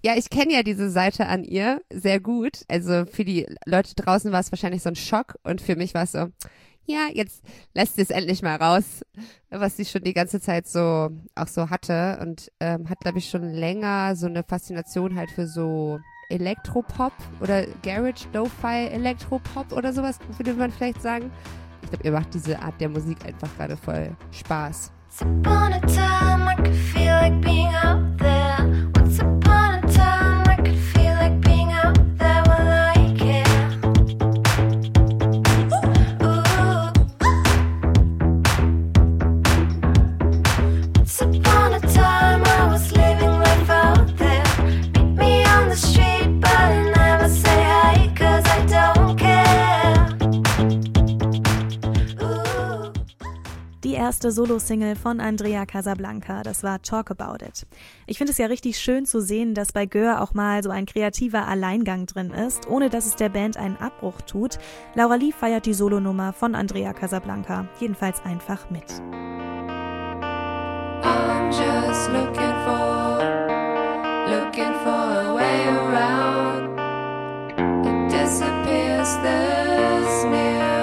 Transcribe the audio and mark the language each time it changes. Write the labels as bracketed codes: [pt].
[de] Ja, ich kenne ja diese Seite an ihr sehr gut. Also für die Leute draußen war es wahrscheinlich so ein Schock und für mich war es so, ja, jetzt lässt sie es endlich mal raus, was sie schon die ganze Zeit so auch so hatte und hat, glaube ich, schon länger so eine Faszination halt für so Elektropop oder Garage Lo-Fi Elektropop oder sowas, würde man vielleicht sagen. Ich glaube, ihr macht diese Art der Musik einfach gerade voll Spaß. [en] Once upon a time I could feel like being out there. Once upon a time I could feel like being out there. Well, I care. Once upon a time I was living life out there. Meet me on the street, but I never say hi, cause I don't care. [de] Die erste Solo-Single von Andrea Casablanca, das war Talk About It. Ich finde es ja richtig schön zu sehen, dass bei Göhr auch mal so ein kreativer Alleingang drin ist, ohne dass es der Band einen Abbruch tut. Laura Lee feiert die Solonummer von Andrea Casablanca jedenfalls einfach mit. [en] I'm just looking for a way around. It disappears this near.